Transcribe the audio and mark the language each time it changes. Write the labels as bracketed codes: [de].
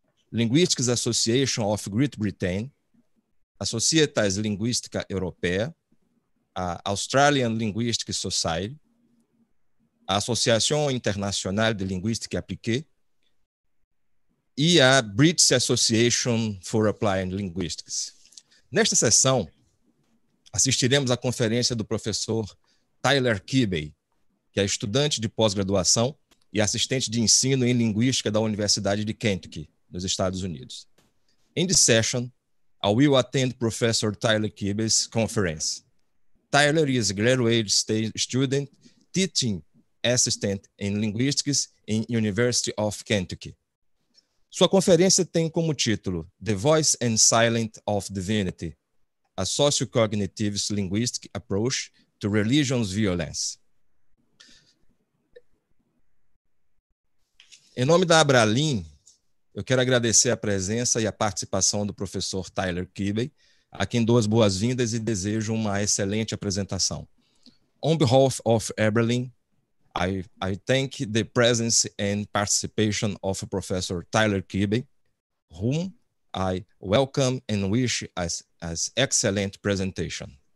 [pt] Linguistics Association of Great Britain, a Societas Linguística Europeia, a Australian Linguistic Society, a Associação Internacional de Linguística Appliquée e a British Association for Applied Linguistics. Nesta sessão, assistiremos à conferência do professor Tyler Kibbey, que é estudante de pós-graduação e assistente de ensino em linguística da Universidade de Kentucky, nos Estados Unidos. [en] In this session, I will attend Professor Tyler Kibbey's conference. Tyler is a graduate student teaching assistant in linguistics in University of Kentucky. [pt] Sua conferência tem como título The Voice and Silence of Divinity, a Socio-Cognitive Linguistic Approach to Religion's Violence. Em nome da Abralin, eu quero agradecer a presença e a participação do professor Tyler Kibbey, a quem dou as boas-vindas e desejo uma excelente apresentação. [en] On behalf of Abralin, I thank the presence and participation of Professor Tyler Kibbey, whom I welcome and wish as excellent presentation.